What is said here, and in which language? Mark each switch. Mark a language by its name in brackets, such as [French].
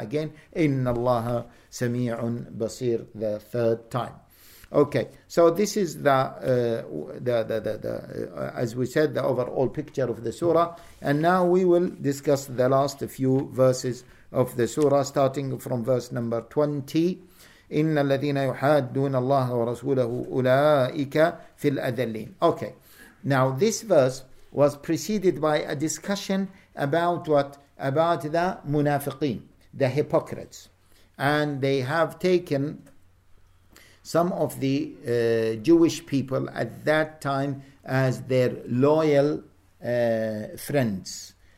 [English] Again, [Arabic] إِنَّ اللَّهَ سَمِيعٌ بَصِيرٌ, [English] the third time. Okay, so this is the as we said, the overall picture of the surah, and now we will discuss the last few verses of the surah, starting from verse number 20. [Arabic] إن الذين يحادون الله ورسوله أولئك في الأذلين. [English] Okay, now this verse was preceded by a discussion about what? About the munafiqeen, the hypocrites, and they have taken some of the Jewish people at that time as their loyal friends.